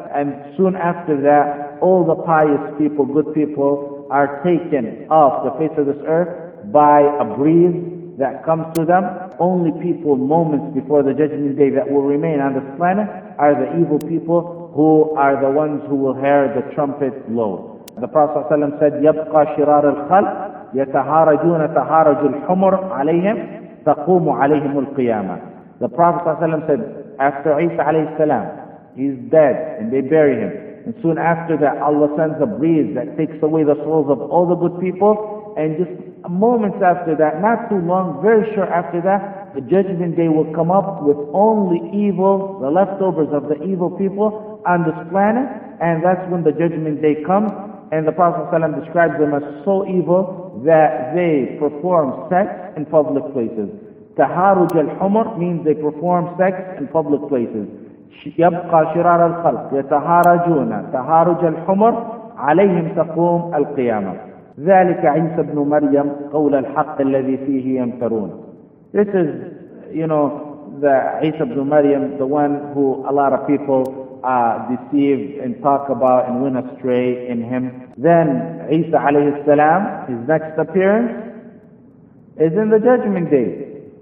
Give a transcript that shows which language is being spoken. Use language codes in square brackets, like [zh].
[en] And soon after that, all the pious people, good people, are taken off the face of this earth by a breeze that comes to them. Only people moments before the judgment day that will remain on this planet are the evil people, who are the ones who will hear the trumpet blow. [ar] The Prophet sallam said, يَبْقَى شِرَارَ الْخَلْقِ يَتَهَارَجُونَ تَهَارَجُ الْحُمُرْ عَلَيْهِمْ تَقُومُ عَلَيْهِمُ الْقِيَامَةِ. [en] The Prophet ﷺ said, after Isa alayhi salam, he's dead, and they bury him. And soon after that, Allah sends a breeze that takes away the souls of all the good people. And just moments after that, not too long, very short after that, the judgment day will come up with only evil, the leftovers of the evil people on this planet. And that's when the judgment day comes. And the Prophet ﷺ describes them as so evil that they perform sex in public places. [ar] تهارج الحمر [en] means they perform sex in public places. [ar] يبقى شرار الخلق يتهارجون تهارج الحمر عليهم تقوم القيامة. ذلك عيسى بن مريم قول الحق الذي فيه يمترون. [en] This is, you know, the Isa ibn Maryam, the one who a lot of people deceive and talk about and went astray in him. Then Isa alayhi salam, his next appearance is in the judgment day.